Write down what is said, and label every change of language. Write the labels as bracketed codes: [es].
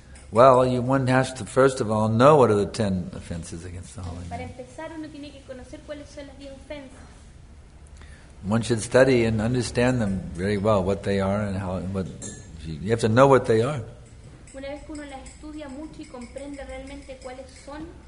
[en] Well, you one has to first of all know what are the 10 offenses against the Holy Name. [es] Para empezar, uno tiene que conocer cuáles son las 10 ofensas. [en] One should study and understand them very well, what they are and how. What, you have to know what they are. [es] Una vez que uno las estudia mucho y comprende realmente cuáles son.